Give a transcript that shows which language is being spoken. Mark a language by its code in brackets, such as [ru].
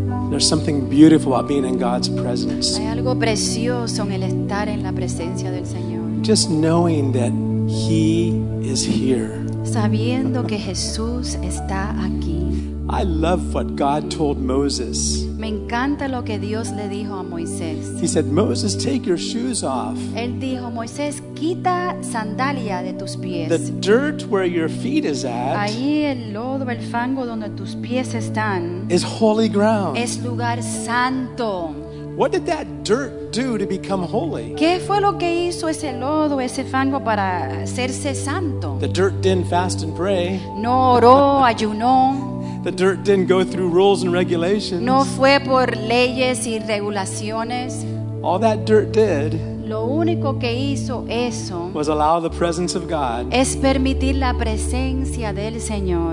[en] There's something beautiful about being in God's presence. [es] Hay algo precioso en el estar en la presencia del Señor. [en] Just knowing that He is here. [es] Sabiendo que Jesús está aquí. [en] I love what God told Moses. [es] Me encanta lo que Dios le dijo a Moisés. [en] He said, "Moses, take your shoes off." [es] Él dijo, Moisés, quita sandalia de tus pies. [en] The dirt where your feet is at. [es] Ahí el lodo, el fango donde tus pies están. [en] Is holy ground. [es] Es lugar santo. [en] What did that dirt do to become holy? [es] ¿Qué fue lo que hizo ese lodo, ese fango para hacerse santo? [en] The dirt didn't fast and pray. [es] No oró, ayunó. [en] The dirt didn't go through rules and regulations. [es] No fue por leyes y regulaciones. [en] All that dirt did. [es] Lo único que hizo eso. [en] Was allow the presence of God. [es] Es permitir la presencia del Señor.